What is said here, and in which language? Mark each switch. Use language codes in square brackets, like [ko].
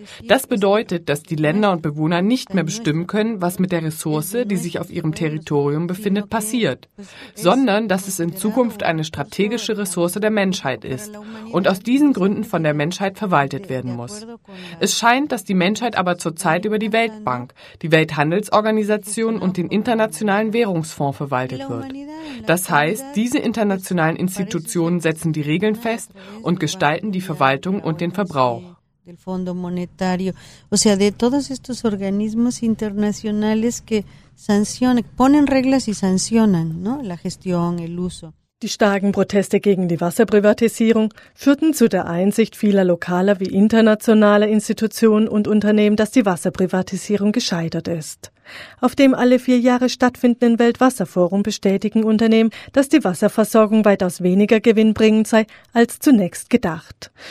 [de] Das bedeutet, dass die Länder und Bewohner nicht mehr bestimmen können, was mit der Ressource, die sich auf ihrem Territorium befindet, passiert, sondern dass es in Zukunft eine strategische Ressource der Menschheit ist und aus diesen Gründen von der Menschheit verwaltet werden muss. Es scheint, dass die Menschheit aber zurzeit über die Weltbank, die Welthandelsorganisation und den Internationalen Währungsfonds verwaltet wird. Das heißt, diese internationalen Institutionen setzen die Regeln fest und gestalten die Verwaltung und den Verbrauch. [es] Del Fondo Monetario, o sea, de todos estos organismos internacionales que sancionan, ponen reglas y sancionan, ¿no? La gestión, el uso. [de] Die starken Proteste gegen die Wasserprivatisierung führten zu der Einsicht vieler lokaler wie internationaler Institutionen und Unternehmen, dass die Wasserprivatisierung gescheitert ist. Auf dem alle 4 Jahre stattfindenden Weltwasserforum bestätigen Unternehmen, dass die Wasserversorgung weitaus weniger gewinnbringend sei als zunächst gedacht.